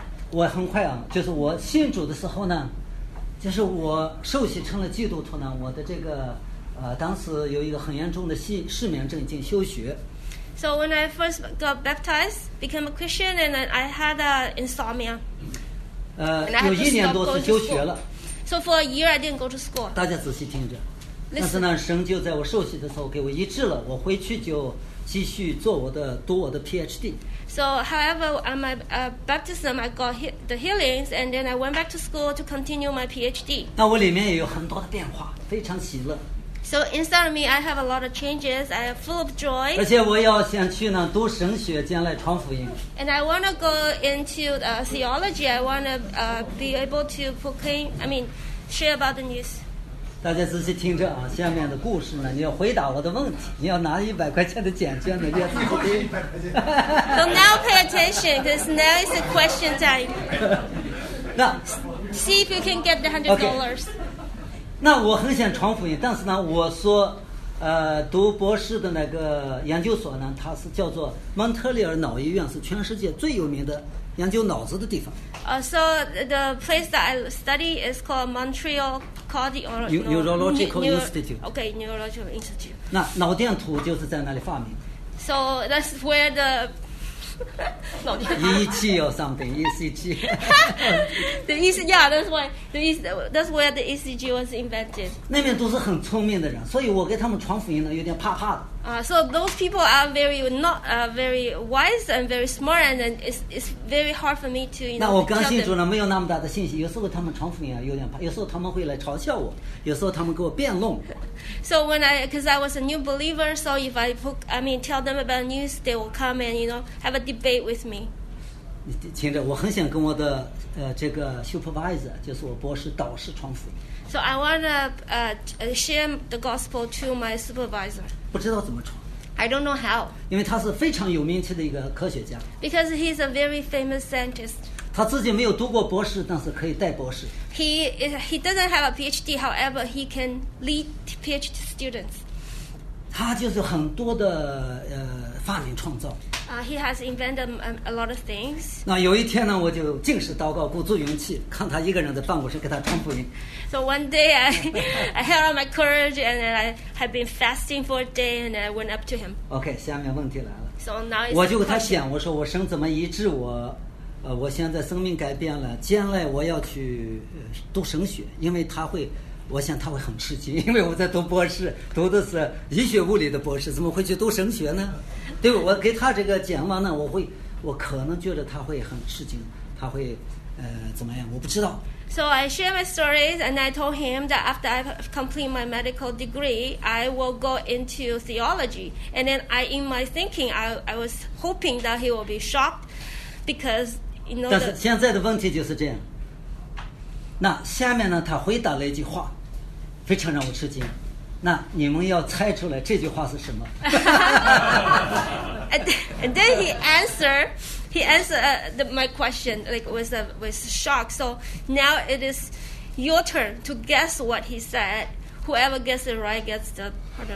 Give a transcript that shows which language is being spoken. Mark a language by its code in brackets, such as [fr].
[zh] 我很快啊，就是我信主的时候呢。就是我受洗成了基督徒呢，我的这个当时有一个很严重的失眠症，已经休学。 [en] So when I first got baptized, became a Christian, and I had an insomnia. [zh] 有一年多是休学了。 [en] So for a year, I didn't go to school. [zh] 大家仔细听着。但是呢，神就在我受洗的时候给我医治了，我回去就继续做我的 PhD。 [en] So, however, at my baptism, I got the healings, and then I went back to school to continue my PhD. [zh] 那我里面也有很多的变化，非常喜乐。 [en] So inside of me, I have a lot of changes. I am full of joy. [zh] 而且我要想去呢，读神学，将来传福音。 [en] And I want to go into theology. I want to be able to proclaim, share about the news. [zh] 大家仔细听着啊，下面的故事呢，你要回答我的问题，你要拿100块钱的奖券呢，你要仔细听。 [en] So now pay attention, because now is the question time. [zh] 那 [en] see if you can get the $100. [zh] 那我很想传福音，但是呢，我说，读博士的那个研究所呢，它是叫做蒙特利尔脑医院，是全世界最有名的研究脑子的地方。 [en] So the place that I study is called Montreal Cardiology Neurological Institute. Okay, Neurological Institute. [zh] 那脑电图就是在那里发明。 [en] So that's where the EEG or something, ECG. That's where the ECG was invented. [zh] 那边都是很聪明的人，所以我给他们传福音呢，有点怕怕的。 [en] So those people are very wise and very smart, and it's very hard for me to. [zh] 那我刚信主呢，没有那么大的信心。有时候他们传福音啊，有点怕；有时候他们会来嘲笑我；有时候他们给我辩论。 [en] So when I, because I was a new believer, so if I book, tell them about news, they will come and have a debate with me. [zh] 听着，我很想跟我的这个 supervisor， 就是我博士导师传福音。 [en] So I want to share the gospel to my supervisor. [zh] 不知道怎么传。 [en] I don't know how. [zh] 因为他是非常有名气的一个科学家。 [en] Because he's a very famous scientist. [zh] 他自己没有读过博士，但是可以带博士。 [en] He doesn't have a PhD, however, he can lead PhD students. [zh] 他就是很多的发明创造。 [en] He has invented a lot of things. [zh] 那有一天呢，我就静时祷告，鼓足勇气，看他一个人在办公室给他传福音。 [en] So one day I held on my courage, and I had been fasting for a day, and I went up to him. [zh] Okay, 下面问题来了。 [en] So now it's [zh] 我就给他想，我说我生怎么医治我，我现在生命改变了，将来我要去读神学，因为他会，我想他会很吃惊，因为我在读博士，读的是医学物理的博士，怎么会去读神学呢？对，我给他这个讲完呢，我可能觉得他会很吃惊，他会怎么样？我不知道。 [en] So I share my stories and I told him that after I complete my medical degree, I will go into theology. And then I, in my thinking, I was hoping that he will be shocked because, you know. [zh] 但是现在的问题就是这样。那下面呢，他回答了一句话，非常让我吃惊。那你们要猜出来这句话是什么。 [en] And then he answered my question like was shock. So now it is your turn to guess what he said. Whoever gets it right gets the part of it.